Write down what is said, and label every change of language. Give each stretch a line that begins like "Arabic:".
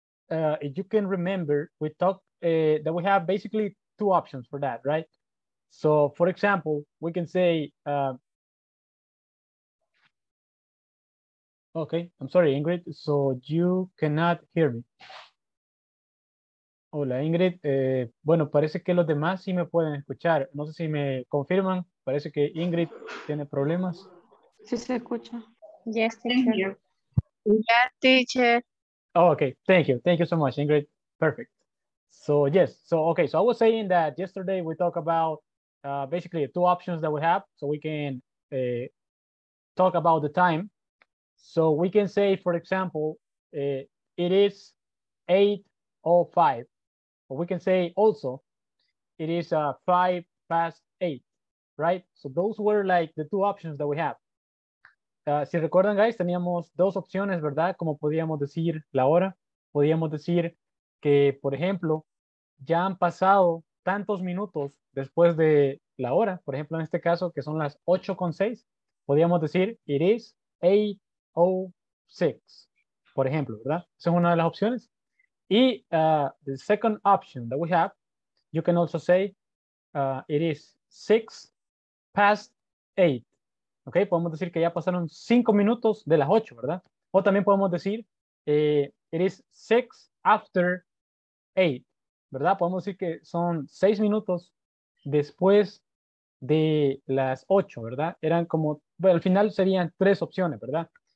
English: If you can remember, we talked that we have basically two options for that, right? So for example, we can say, okay, I'm sorry, Ingrid, so you cannot hear me.
Spanish: Hola, Ingrid. Bueno, parece que los demás sí me pueden escuchar. No sé si me confirman. Parece que Ingrid tiene problemas. Sí, se escucha.
English: Yes, teacher. Yes, teacher. Oh, okay. Thank you. Thank you so much, Ingrid. Perfect. So yes, so okay, so I was saying that yesterday we talked about basically two options that we have, so we can talk about the time. So we can say, for example, it is 8:05, or we can say also it is 8:05, right? So those were like the two options that we have.
Spanish: Si recuerdan, guys, teníamos dos opciones, ¿verdad? Como podíamos decir la hora, podíamos decir que, por ejemplo, ya han pasado tantos minutos después de la hora. Por ejemplo, en este caso, que son las 8:06, podríamos decir,
English: it is 8:06,
Spanish: por ejemplo, ¿verdad? Esa es una de las opciones.
English: Y the second option that we have, you can also say, it is 8:06.
Spanish: ¿Ok? Podemos decir que ya pasaron 5 minutos de las 8, ¿verdad? O también podemos decir,
English: it is 8:06.
Spanish: ¿Verdad? Podemos decir que son 6 minutos después de las 8, ¿verdad? Eran como, bueno, al final serían 3 opciones, ¿verdad?